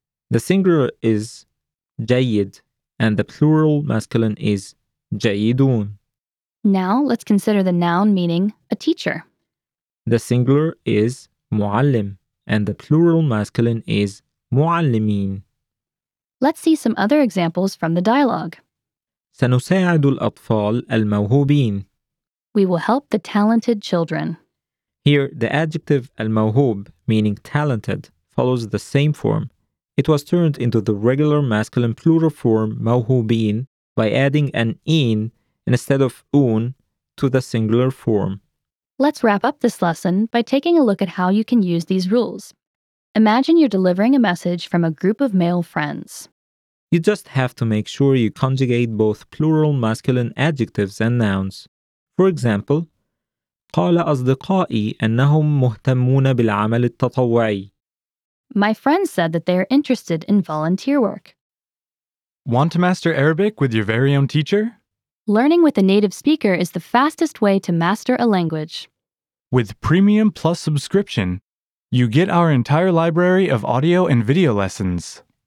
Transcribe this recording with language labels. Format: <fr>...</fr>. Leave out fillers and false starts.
<en>The singular is jayid and the plural masculine is jayidun. Now let's consider the noun meaning a teacher. The singular is muallim and the plural masculine is muallimin. Let's see some other examples from the dialogue.</en> <ar>سنساعد الأطفال الموهوبين.</ar> <en>We will help the talented children. Here, the adjective al-mawhub, meaning talented, follows the same form. It was turned into the regular masculine plural form mawhubin by adding an in instead of un to the singular form. Let's wrap up this lesson by taking a look at how you can use these rules. Imagine you're delivering a message from a group of male friends. You just have to make sure you conjugate both plural masculine adjectives and nouns. For example,</en> <ar>قال أصدقائي أنهم مهتمون بالعمل التطوعي.</ar> <en>My friends said that they are interested in volunteer work. Want to master Arabic with your very own teacher? Learning with a native speaker is the fastest way to master a language. With Premium Plus subscription, you get our entire library of audio and video lessons.</en>